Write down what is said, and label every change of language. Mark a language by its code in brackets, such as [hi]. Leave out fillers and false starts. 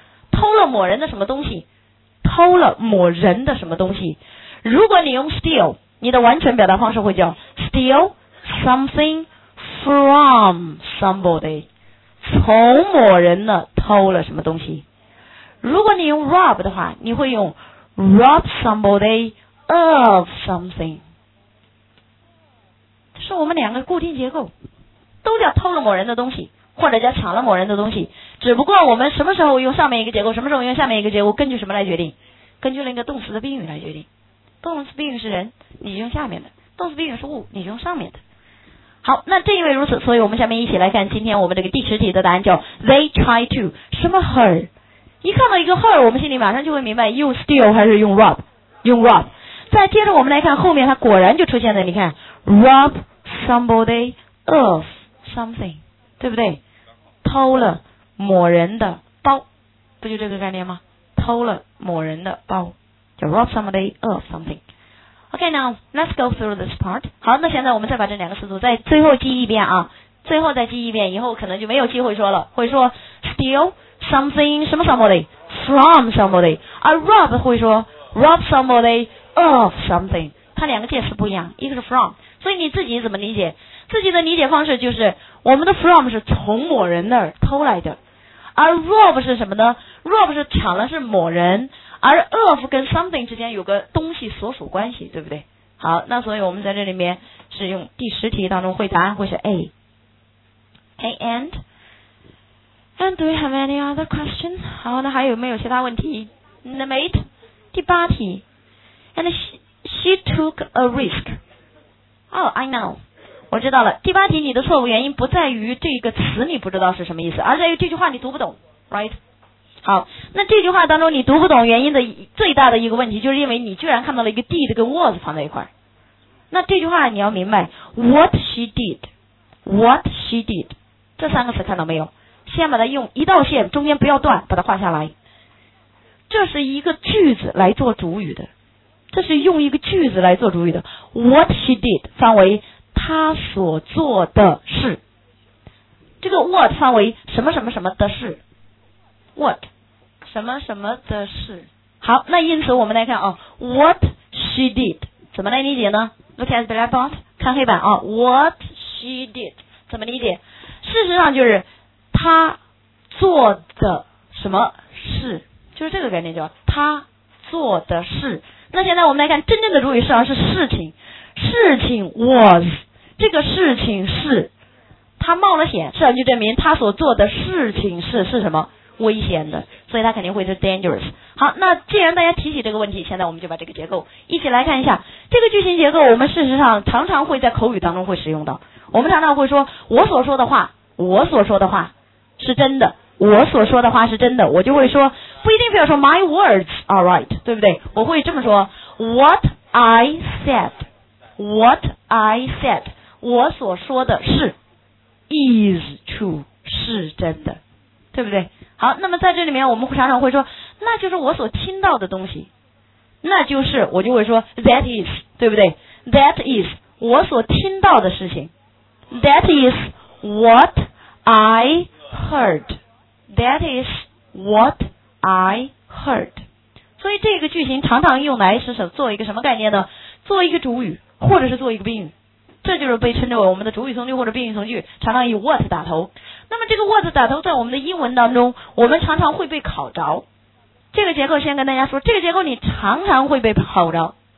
[zh] 偷了某人的什么东西，偷了某人的什么东西。如果你用 steal，你的完全表达方式会叫 [en] steal something from somebody， [zh] 从某人呢偷了什么东西。如果你用 rob 的话，你会用 [en] rob somebody of something。 [zh] 这是我们两个固定结构，都叫偷了某人的东西或者叫抢了某人的东西，只不过我们什么时候用上面一个结构，什么时候用下面一个结构，根据什么来决定？根据那个动词的宾语来决定。动词宾语是人，你用下面的；动词宾语是物，你用上面的。好，那正因为如此，所以我们下面一起来看今天我们这个第十题的答案，叫 [en] they try to [zh] 什么 her。一看到一个 her， 我们心里马上就会明白用 steal 还是用 rob， 用 rob。再接着我们来看后面，它果然就出现了，你看 [en] rob somebody of something， [zh] 对不对？偷了某人的包，不就这个概念吗？偷了某人的包叫 [en] rob somebody of something。 OK， now let's go through this part。 [zh] 好，那现在我们再把这两个词组再最后记一遍啊，最后再记一遍，以后可能就没有机会说了，会说 steal something 什么 somebody from somebody， 而 rob 会说 rob somebody of something， 它两个介词不一样，一个是 from。所以你自己怎么理解？自己的理解方式就是我们的 from 是从某人那儿偷来的，而 rob 是什么呢？ rob 是抢了是某人，而 of 跟 something 之间有个东西所属关系，对不对？好，那所以我们在这里面是用第十题当中会答案会是 A。 [en] Hey and do you have any other question？ [zh] 好，那还有没有其他问题？ [en] The mate， [zh] 第八题。 [en] And she took a risk。 Oh I know， [zh] 我知道了。第八题你的错误原因不在于这个词你不知道是什么意思，而在于这句话你读不懂， [en] right？ [zh] 好，那这句话当中你读不懂原因的最大的一个问题，就是因为你居然看到了一个 did 跟 was 放在一块。那这句话你要明白 [en] what she did， [zh] what she did 这三个词看到没有？先把它用一道线中间不要断把它画下来。这是一个句子来做主语的，这是用一个句子来做主语的。 [en] what she did [zh] 范围她所做的事，这个 what 范围什么什么什么的事，what 什么什么的事。好，那因此我们来看哦， [en] what she did [zh] 怎么来理解呢？ [en] look at the blackboard， [zh] 看黑板哦， [en] what she did [zh] 怎么理解？事实上就是她做的什么事，就是这个概念，叫她做的事。那现在我们来看真正的主语，事实上是事情，事情 was， 这个事情是她冒了险，事实上就证明她所做的事情是什么危险的，所以它肯定会是 dangerous。好，那既然大家提起这个问题，现在我们就把这个结构一起来看一下。这个句型结构我们事实上常常会在口语当中会使用到，我们常常会说我所说的话，我所说的话是真的，我所说的话是真的，我就会说不一定非要说 [en] my words are right， [zh] 对不对？我会这么说 [en] what I said， [zh] what I said， 我所说的是 [en] is true， [zh] 是真的，对不对？好，那么在这里面我们常常会说，那就是我所听到的东西，那就是，我就会说 [en] that is， [zh] 对不对？ [en] that is [zh] 我所听到的事情， [en] that is what I heard， that is what I heard。 [zh] 所以这个句型常常用来是做一个什么概念呢？做一个主语或者是做一个宾语，这就是被称之为我们的主语从句或者宾语从句，常常以 what 打头。那么这个 what 打头在我们的英文当中，我们常常会被考着。这个结构先跟大家说，这个结构你常常会被考着。